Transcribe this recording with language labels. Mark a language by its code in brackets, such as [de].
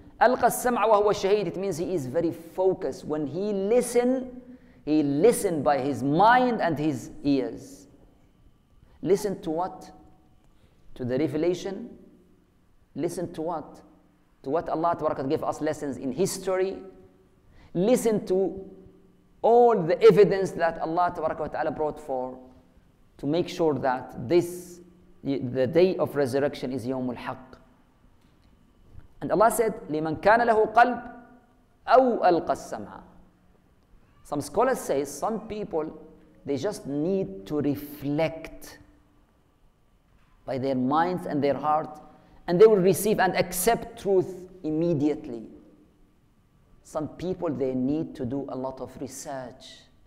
[ar] ألقى السمع وهو شهيد, [en] it means he is very focused. When he listened by his mind and his ears. Listen to what? To the revelation. Listen to what? To what Allah gave us lessons in history. Listen to all the evidence that Allah brought for to make sure that this, the day of resurrection is [ar] يوم الحق. [en] And Allah said, [ar] لمن كان له قلب أو ألقى السمع. [en] Some scholars say some people, they just need to reflect by their minds and their heart and they will receive and accept truth immediately. Some people, they need to do a lot of research.